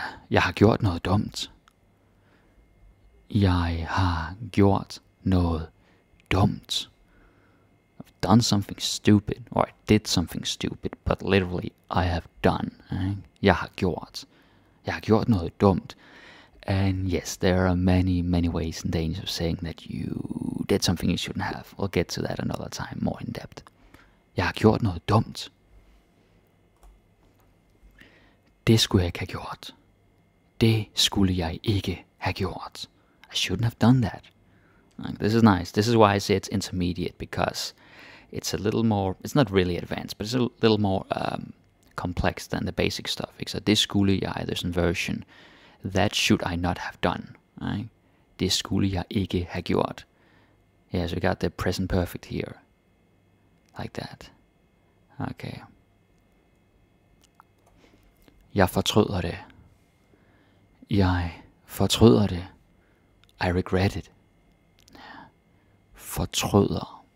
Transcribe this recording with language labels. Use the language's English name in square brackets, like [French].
[Danish] Jeg har gjort noget dumt. Jeg har gjort noget dumt. [English] I've done something stupid, or I did something stupid, but literally I have done. [Danish] Jeg har gjort. Jeg har gjort noget dumt. [English] And yes, there are many, many ways in Danish of saying that you did something you shouldn't have. We'll get to that another time, more in depth. [Danish] Jeg har gjort noget dumt. Det skulle jeg ikke have gjort. Det skulle jeg ikke have gjort. [English] I shouldn't have done that. Like, this is nice. This is why I say it's intermediate, because it's a little more, it's not really advanced, but it's a little more complex than the basic stuff. It's a [Danish] det skulle jeg, [English] there's inversion. That should I not have done. Right? [Danish] Det skulle jeg ikke have gjort. [English] Yes, so we got the present perfect here. Like that. Okay. [Danish] Jeg fortryder det. Jeg fortryder det. [English] I regret it. [Danish] Fortryder.